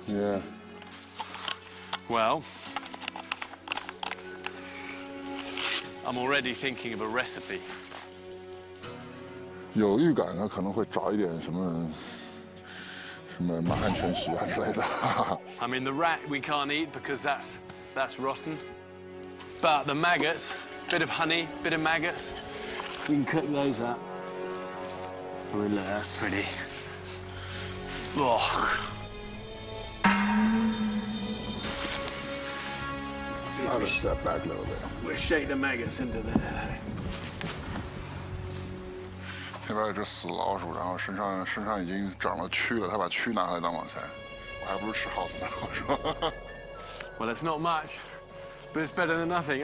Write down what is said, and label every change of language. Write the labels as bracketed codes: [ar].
[en] Yeah. Well... I'm already thinking of a recipe. [zh] 有预感呢，可能会找一点什么马鞍全席啊之类的。 [en] I mean the rat we can't eat because that's rotten. But the maggots, bit of honey, bit of maggots, we can cook those up. I mean, look, that's pretty. Oh. I'll just step back a little bit. We'll shake the maggots into there. [zh] 那边有只死老鼠，然后身上已经长了蛆了，他把蛆拿来当网菜，我还不如吃耗子呢。我说。 [en] Well, it's not much, but it's better than nothing.